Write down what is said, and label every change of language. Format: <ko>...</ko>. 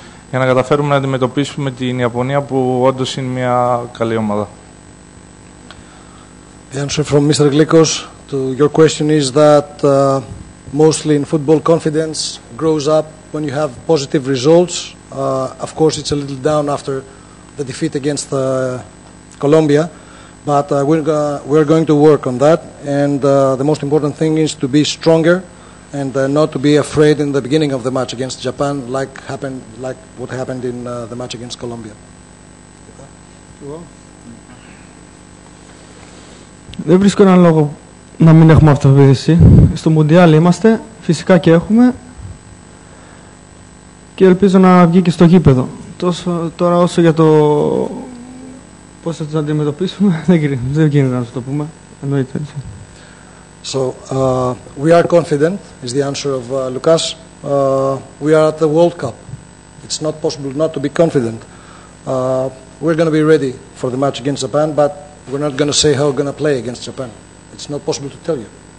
<el>Για να καταφέρουμε να αντιμετωπίσουμε την Ιαπωνία που όντως είναι μια καλή ομάδα.</el> <en>The answer from Mr. Glikos to your question is that mostly in football confidence grows up when you have positive results Of course, it's a little down after the defeat against Colombia, but we're going to work on that. And the most important thing is to be stronger and not to be afraid in the beginning of the match against Japan, like what happened in the match against Colombia.</en> <el>Δεν βρίσκω έναν λόγο να μην έχουμε αυτοπεποίθηση. Στο Μουντιάλ είμαστε, φυσικά και έχουμε. Και ελπίζω να βγει και στο γήπεδο. Τώρα όσο για το πώς θα την αντιμετωπίσουμε, δεν γίνεται να το πούμε. Εννοείται.</el> <en>So, we are confident, is the answer of Lucas. We are at the World Cup. It's not possible not to be confident. We're going to be ready for the match against Japan, but we're not going to say how we're going to play against Japan. It's not possible to tell you.</en>